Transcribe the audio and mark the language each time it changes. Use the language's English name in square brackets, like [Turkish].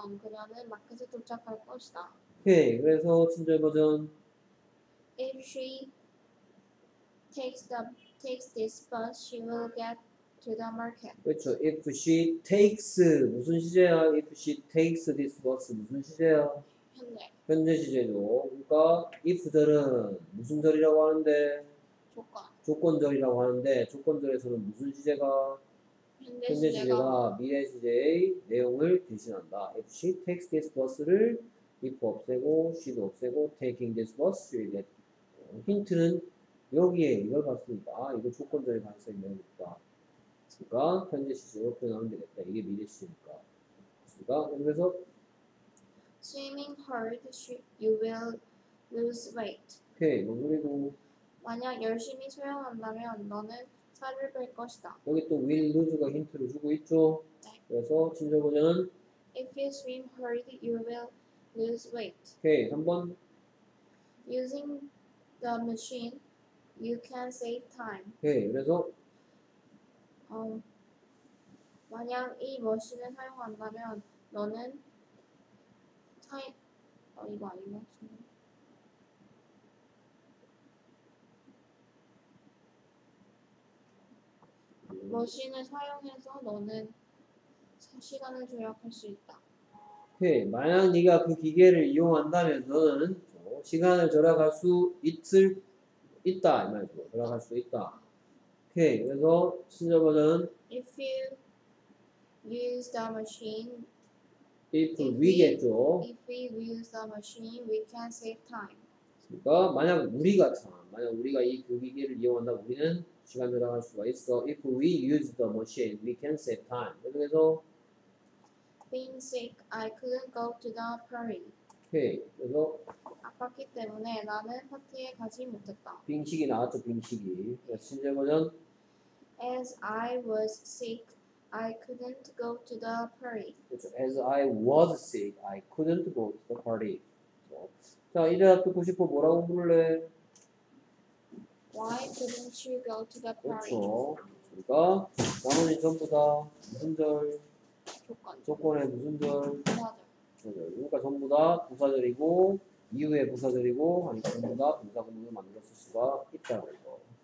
[Korean] 그녀는 마켓에 도착할 것이다. 오케이, 그래서 친절 버전 [English] If she takes this bus, she will get to the market. [Korean] 그렇죠. If she takes 무슨 시제야? If she takes this bus 무슨 시제야? 현재 시제죠. 그러니까 if들은 무슨 절이라고 하는데 조건절이라고 하는데 조건절에서는 무슨 시제가 현재 시제가 미래 시제의 내용을 대신한다. If she takes this bus 를 if 없애고 she도 없애고 taking this bus 이제 힌트는 여기에 이걸 봤으니까 이거 조건절이 봤을 때입니다. 그니까 현재 시제로 표현하면 되겠다. 이게 미래 시제니까. 그니까 그래서 [English] swimming hard, you will lose weight. [Korean] 오케이, 뭐 그리고 만약 열심히 수영한다면 너는 살을 뺄 것이다. 여기 또 will lose가 힌트를 주고 있죠. 네. 그래서 진절 버전은 [English] if you swim hard, you will lose weight. [Korean] 오케이, 3번 [English] using the machine, you can save time. [Korean] 오케이, 그래서 만약 이 머신을 사용한다면 너는 이거 아니면 머신을 사용해서 너는 시간을 조약할 수 있다. 오케이, 만약 네가 그 기계를 이용한다면 너는 시간을 조약할 수 있다 이 말이죠. 조약할 수 있다. 오케이, 그래서 친절 버전 [English] If you use the machine If we겠죠 If we use the machine, we can save time. [Korean] 그러니까 만약 우리가 이 교기기를 이용한다 우리는 시간 조절할 수가 있어. [English] If we use the machine, we can save time. 그래서 Being sick, I couldn't go to the party. [Korean] 오케이, 그래서 아팠기 때문에 나는 파티에 가지 못했다. 빙식이 나왔죠, 빙식이. 진짜 버전 [English] As I was sick, I couldn't go to the party. [Korean] 그렇죠. [English] As I was sick, I couldn't go to the party. [Korean] 자, 이제 듣고 싶어 뭐라고 부를래? [English] Why couldn't you go to the party? [Korean] 그렇죠. 그러니까 나머지 전부 다 무슨 절? 조건의 무슨 절? 부사절. 그러니까 전부 다 부사절이고 이후에 부사절이고 아니 전부 다 부사구문을 만들었을 수가 있다는 거.